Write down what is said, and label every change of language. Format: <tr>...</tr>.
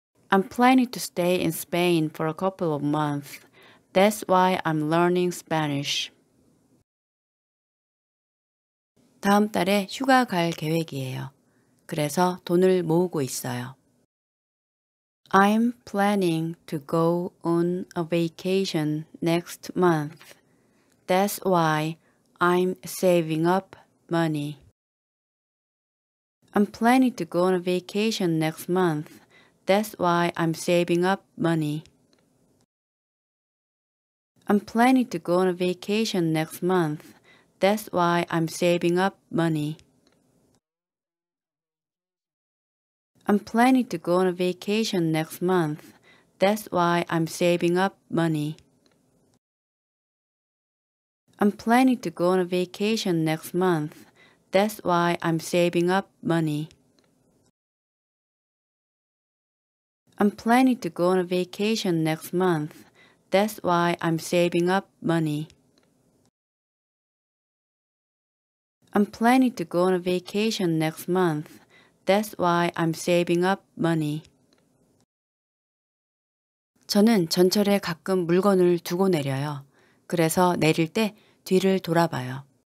<en>I'm planning to stay in Spain for a couple of months. That's why I'm learning Spanish.</en> <ko>다음 달에 휴가 갈 계획이에요. 그래서 돈을 모으고 있어요.</ko> <en>I'm planning to go on a vacation next month. That's why I'm saving up money. I'm planning to go on a vacation next month. That's why I'm saving up money. I'm planning to go on a vacation next month. That's why I'm saving up money. I'm planning to go on a vacation next month. That's why I'm saving up money. I'm planning to go on a vacation next month. That's why I'm saving up money. I'm planning to go on a vacation next month. That's why I'm saving up money. I'm planning to go on a vacation next month. That's why I'm saving up money.</en> <ko>저는 전철에 가끔 물건을 두고 내려요. 그래서 내릴 때 뒤를 돌아봐요.</ko>